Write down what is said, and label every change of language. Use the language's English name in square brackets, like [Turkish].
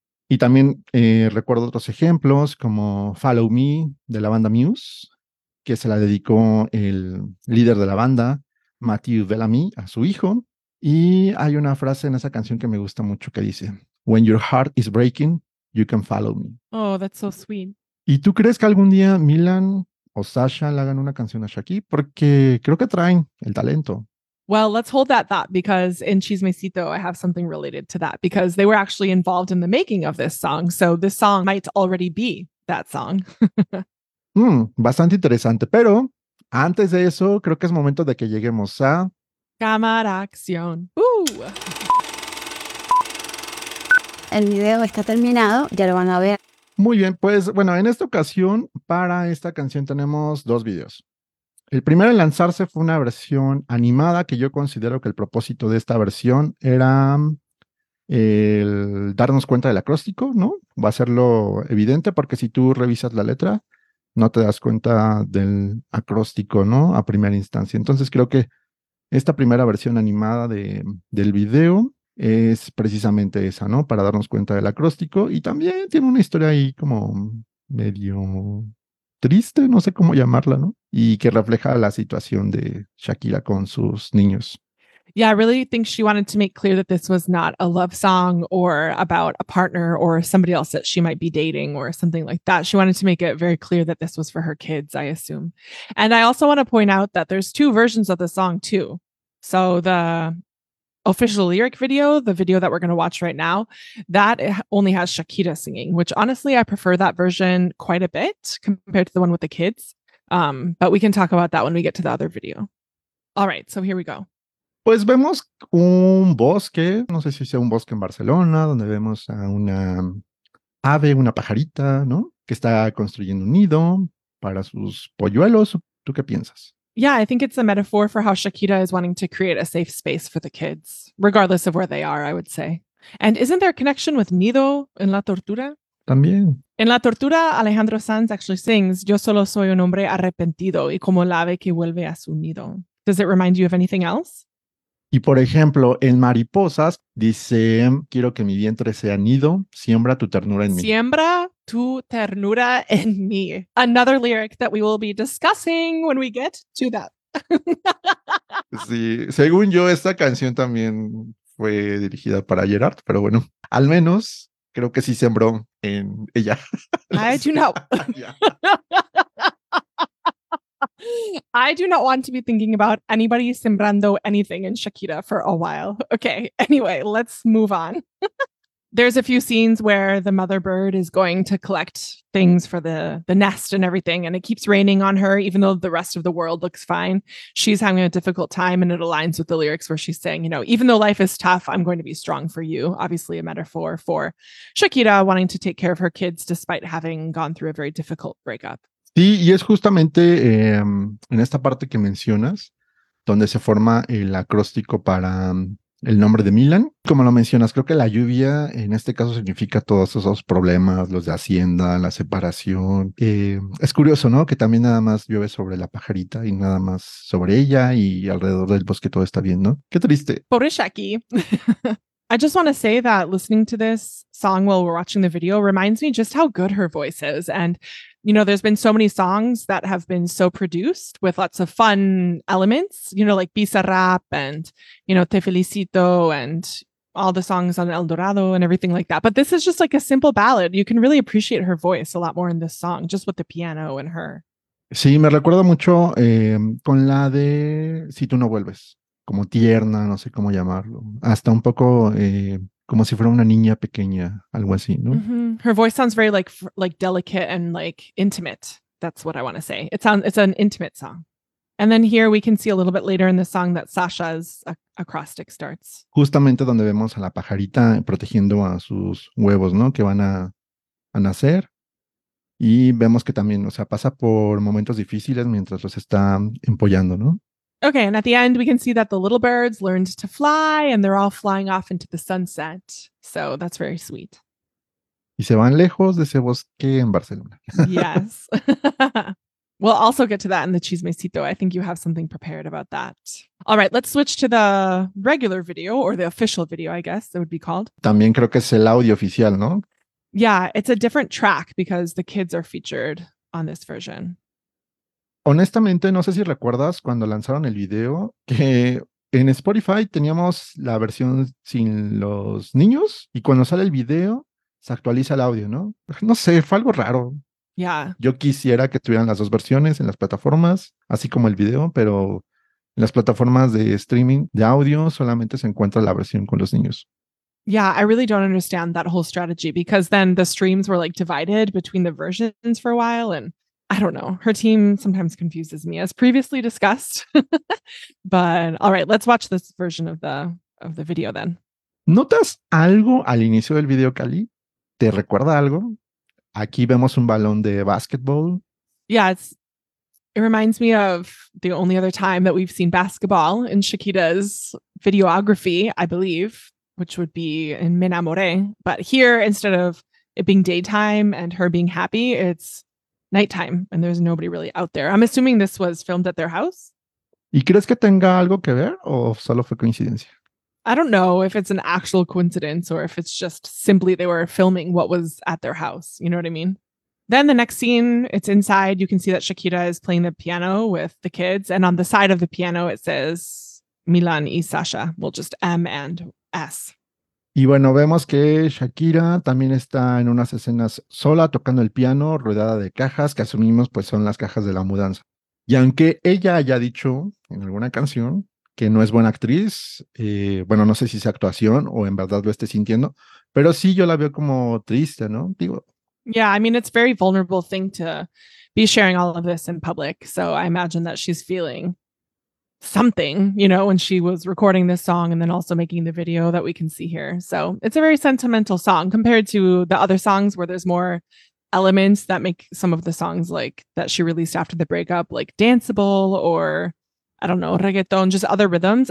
[Spanish] Y también recuerdo otros ejemplos como Follow Me de la banda Muse, que se la dedicó el líder de la banda, Matthew Bellamy, a su hijo. Y hay una frase en esa canción que me gusta mucho que dice, [English] "When your heart is breaking, you can follow me." Oh, that's so sweet. [Spanish] ¿Y tú crees que algún día Milan o Sasha le hagan una canción a Shakira? Porque creo que traen el talento. [English] Well, let's hold that thought because in Chismecito, I have something related to that because they were actually involved in the making of this song. So this song might already be that song. [Spanish] Bastante interesante. Pero antes de eso, creo que es momento de que lleguemos a... Cámara Acción. El video está terminado, ya lo van a ver. Muy bien, pues bueno, en esta ocasión para esta canción tenemos dos videos. El primero en lanzarse fue una versión animada que yo considero que el propósito de esta versión era el darnos cuenta del acróstico, ¿no? Va a serlo evidente porque si tú revisas la letra, no te das cuenta del acróstico, ¿no? A primera instancia. Entonces creo que esta primera versión animada del video es precisamente esa, ¿no? Para darnos cuenta del acróstico. Y también tiene una historia ahí como medio triste, no sé cómo llamarla, ¿no? Y que refleja la situación de Shakira con sus niños. [English] Yeah, I really think she wanted to make clear that this was not a love song or about a partner or somebody else that she might be dating or something like that. She wanted to make it very clear that this was for her kids, I assume. And I also want to point out that there's two versions of the song too. So the official lyric video, the video that we're going to watch right now, that only has Shakira singing, which honestly, I prefer that version quite a bit compared to the one with the kids. But we can talk about that when we get to the other video. All right, so here we go. [Spanish] Pues vemos un bosque, no sé si sea un bosque en Barcelona, donde vemos a una ave, una pajarita, ¿no? Que está construyendo un nido para sus polluelos. ¿Tú qué piensas? [English] Yeah, I think it's a metaphor for how Shakira is wanting to create a safe space for the kids, regardless of where they are, I would say. And isn't there a connection with Nido en La Tortura? [Spanish] También. En La Tortura, Alejandro Sanz [English] actually sings, [Spanish] "Yo solo soy un hombre arrepentido y como el ave que vuelve a su nido." [English] Does it remind you of anything else? [Spanish] Y por ejemplo, en Mariposas dice, "Quiero que mi vientre sea nido, siembra tu ternura en mí." Siembra tu ternura en mí. [English] Another lyric that we will be discussing when we get to that. [Spanish] Sí, según yo, esta canción también fue dirigida para Gerard, pero bueno, al menos creo que sí sembró en ella. [English] I do not. I do not want to be thinking about anybody sembrando anything in Shakira for a while. Okay, anyway, let's move on. There's a few scenes where the mother bird is going to collect things for the nest and everything, and it keeps raining on her, even though the rest of the world looks fine. She's having a difficult time, and it aligns with the lyrics where she's saying, you know, even though life is tough, I'm going to be strong for you. Obviously, a metaphor for Shakira wanting to take care of her kids despite having gone through a very difficult breakup. [Spanish] Sí, y es justamente en esta parte que mencionas, donde se forma el acróstico para el nombre de Milan. Como lo mencionas, creo que la lluvia en este caso significa todos esos problemas, los de Hacienda, la separación. Es curioso, ¿no? Que también nada más llueve sobre la pajarita y nada más sobre ella y alrededor del bosque todo está bien, ¿no? ¡Qué triste! Pobre Shaki. [English] I just want to say that listening to this song while we're watching the video reminds me just how good her voice is. And, you know, there's been so many songs that have been so produced with lots of fun elements, you know, like Bizarrap and, you know, Te Felicito and all the songs on El Dorado and everything like that. But this is just like a simple ballad. You can really appreciate her voice a lot more in this song, just with the piano and her. [Spanish] Sí, me recuerda mucho con la de Si Tú No Vuelves. Como tierna, no sé cómo llamarlo. Hasta un poco como si fuera una niña pequeña, algo así, ¿no? Mm-hmm. [English] Her voice sounds very like delicate and like intimate. That's what I want to say. It's an intimate song. And then here we can see a little bit later in the song that Sasha's acrostic starts. [Spanish] Justamente donde vemos a la pajarita protegiendo a sus huevos, ¿no? Que van a nacer. Y vemos que también, o sea, pasa por momentos difíciles mientras los está empollando, ¿no? [English] Okay, and at the end we can see that the little birds learned to fly and they're all flying off into the sunset. So that's very sweet. [Spanish] Y se van lejos de ese bosque en Barcelona. [English] Yes. We'll also get to that in the chismecito. I think you have something prepared about that. All right, let's switch to the regular video, or the official video, I guess it would be called. [Spanish] También creo que es el audio oficial, ¿no? [English] Yeah, it's a different track because the kids are featured on this version. [Spanish] Honestamente, no sé si recuerdas cuando lanzaron el video que en Spotify teníamos la versión sin los niños y cuando sale el video se actualiza el audio, ¿no? No sé, fue algo raro. [English] Yeah. [Spanish] Yo quisiera que tuvieran las dos versiones en las plataformas, así como el video, pero en las plataformas de streaming de audio solamente se encuentra la versión con los niños. [English] Yeah, I really don't understand that whole strategy because then the streams were like divided between the versions for a while and I don't know. Her team sometimes confuses me, as previously discussed. But all right, let's watch this version of the video then. [Spanish] ¿Notas algo al inicio del video, Cali? ¿Te recuerda algo? Aquí vemos un balón de basketball. [English] Yeah, it reminds me of the only other time that we've seen basketball in Shakira's videography, I believe, which would be in Me Enamoré. But here, instead of it being daytime and her being happy, it's nighttime and there's nobody really out there. I'm assuming this was filmed at their house. [Spanish] ¿Y crees que tenga algo que ver o solo fue coincidencia? [English] I don't know if it's an actual coincidence or if it's just simply they were filming what was at their house. You know what I mean? Then the next scene, it's inside. You can see that Shakira is playing the piano with the kids. And on the side of the piano, it says Milan y Sasha. Well, just M and S. [Spanish] Y bueno, vemos que Shakira también está en unas escenas sola tocando el piano, rodeada de cajas, que asumimos pues son las cajas de la mudanza. Y aunque ella haya dicho en alguna canción que no es buena actriz, bueno, no sé si es actuación o en verdad lo esté sintiendo, pero sí yo la veo como triste, ¿no? Digo. [English] Yeah, I mean, it's a very vulnerable thing to be sharing all of this in public. So I imagine that she's feeling something, you know, when she was recording this song and then also making the video that we can see here. So it's a very sentimental song compared to the other songs where there's more elements that make some of the songs like that she released after the breakup, like danceable or I don't know, reggaeton, just other rhythms.